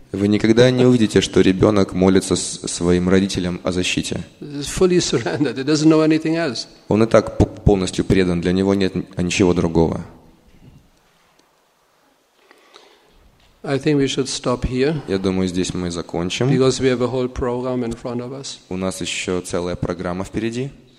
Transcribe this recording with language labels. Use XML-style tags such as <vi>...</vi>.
<ru>Вы никогда не увидите, что ребенок молится своим родителям о защите.</ru> <en>Fully surrendered, he doesn't know anything else.</en> <ru>Он и так полностью предан, для него нет ничего другого.</ru> <en>I think we should stop here.</en> <ru>Я думаю, здесь мы закончим.</ru> <en>Because we have a whole program in front of us.</en> <ru>У нас еще целая программа впереди.</ru>